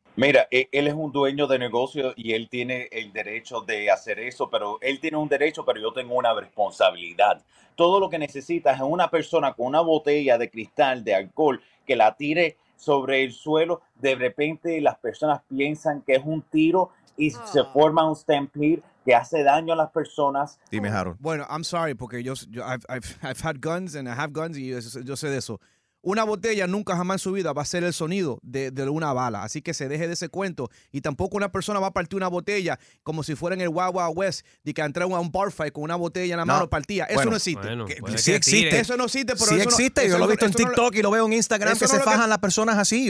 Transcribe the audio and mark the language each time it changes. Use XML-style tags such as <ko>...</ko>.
<es>Mira, él es un dueño de negocio y él tiene el derecho de hacer eso, pero él tiene un derecho, pero yo tengo una responsabilidad. Todo lo que necesitas es una persona con una botella de cristal de alcohol que la tire sobre el suelo. De repente las personas piensan que es un tiro y se forma un stampede que hace daño a las personas. Dime, Harold. Bueno,</es> <en>I'm sorry,</en> <es>porque yo</es> <en>I've had guns and I have guns</en> <es>y yo sé de eso. Una botella nunca jamás en su vida va a ser el sonido de una bala. Así que se deje de ese cuento. Y tampoco una persona va a partir una botella como si fuera en el Wild Wild West de que entra a un</es> <en>bar fight</en> <es>con una botella en la mano partida. Eso bueno, no existe. Bueno, sí existe. Eso no existe. Pero sí eso existe. No, yo lo he visto en TikTok y lo veo en Instagram que se fajan las personas así.</es>